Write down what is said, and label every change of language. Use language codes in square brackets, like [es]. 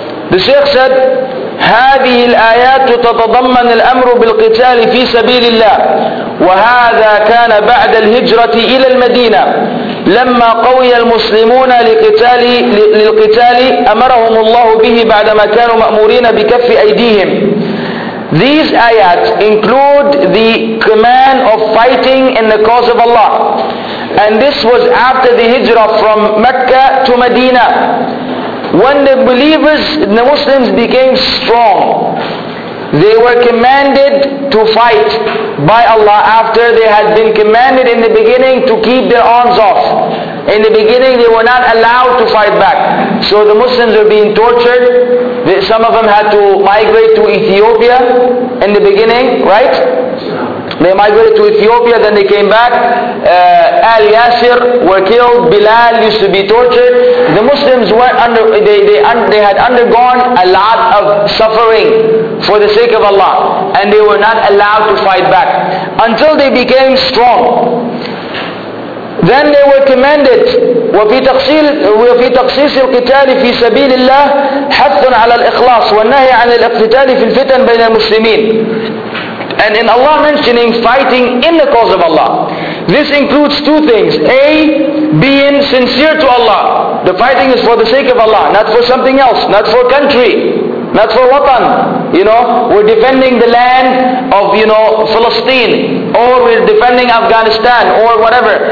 [en] The Shaykh said, [ar] هذه الآيات تتضمن الأمر بالقتال في سبيل الله وهذا كان بعد الهجرة إلى المدينة لما قوي المسلمون للقتال أمرهم الله به بعدما كانوا مأمورين بكف أيديهم. [en] These ayats include the command of fighting in the cause of Allah, and this was after the hijrah from Mecca to Medina. When the believers, the Muslims became strong, they were commanded to fight by Allah after they had been commanded in the beginning to keep their arms off. In the beginning they were not allowed to fight back. So the Muslims were being tortured. Some of them had to migrate to Ethiopia in the beginning, right? They migrated to Ethiopia, then they came back. Al Yasir were killed. Bilal used to be tortured. The Muslims were under, they had undergone a lot of suffering for the sake of Allah, and they were not allowed to fight back until they became strong. Then they were commanded. [ar] وفي تخصيص القتال في سبيل الله حث على الإخلاص والنهي عن الاقتتال في الفتن بين المسلمين. [en] And in Allah mentioning fighting in the cause of Allah, this includes two things. A, being sincere to Allah. The fighting is for the sake of Allah, not for something else, not for country, not for watan. You know, we're defending the land of, you know, Palestine, or we're defending Afghanistan, or whatever.